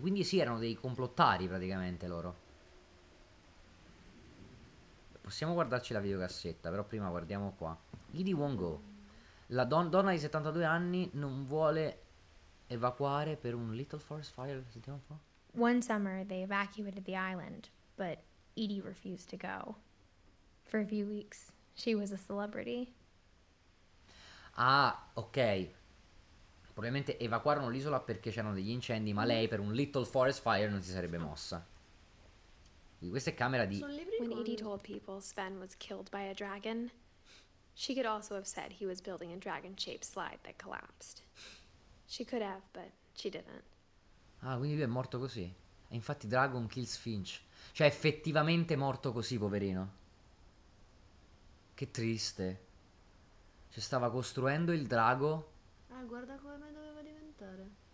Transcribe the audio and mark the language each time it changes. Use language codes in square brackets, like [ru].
[it] Quindi sì, erano dei complottari praticamente loro. Possiamo guardarci la videocassetta, però prima guardiamo qua. Gidi Wongo. La donna di 72 anni non vuole evacuare per un [en] Little Forest Fire. [it] Sentiamo un po'. [en] One summer they evacuated the island, but Edie refused to go. For a few weeks she was a celebrity. [it] Ah, ok. Probabilmente evacuarono l'isola perché c'erano degli incendi, ma lei per un [en] Little Forest Fire [it] non si sarebbe mossa. Quindi questa è camera di... [en] When Edie told people Sven was killed by a dragon, she could also have said he was building a dragon-shaped slide that collapsed. She could have, but she didn't. [it] Ah, quindi lui è morto così. E infatti [en] Dragon kills Finch. [it] Cioè, effettivamente morto così, poverino. Che triste. Cioè, stava costruendo il drago. Ah, guarda come doveva diventare.